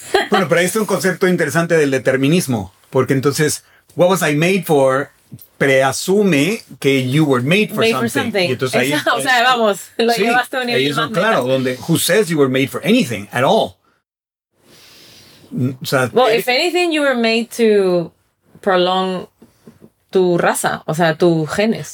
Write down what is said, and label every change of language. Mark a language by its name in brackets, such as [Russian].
[Spanish] Bueno, pero ahí está un concepto interesante del determinismo, porque entonces [English] what was I made for [Spanish] preasume que [English] you were made for something. [Spanish] Y entonces ahí llevaste un nivel más allá. Claro, donde [English] who says you were made for anything at all. [Spanish] O sea, [English] if anything, you were made to prolong [Spanish] tu raza, o sea, tus genes.